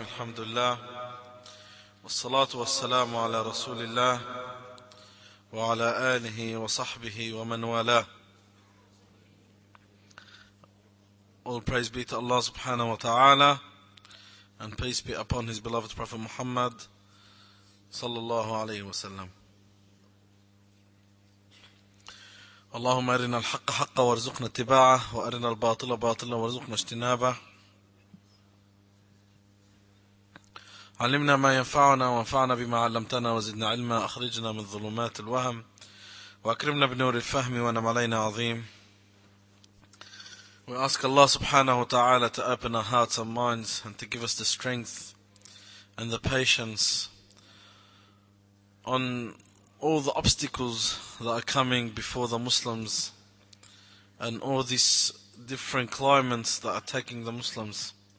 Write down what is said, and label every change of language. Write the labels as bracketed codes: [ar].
[ar] الحمد لله والصلاة والسلام على رسول الله وعلى آله وصحبه ومن والاه. [en] All praise be to Allah subhanahu wa ta'ala and peace be upon his beloved Prophet Muhammad [ar] صلى الله عليه وسلم. اللهم أرنا الحق حقا وارزقنا اتباعه وأرنا الباطل باطلا وارزقنا اجتنابه. علمنا ما ينفعنا وانفعنا بما علمتنا وزدنا علما أخرجنا من ظلمات الوهم وأكرمنا بنور الفهم وانعم علينا عظيم. [en] We ask Allah subhanahu wa ta'ala to open our hearts and minds and to give us the strength and the patience on all the obstacles that are coming before the Muslims and all these different climates that are attacking the Muslims.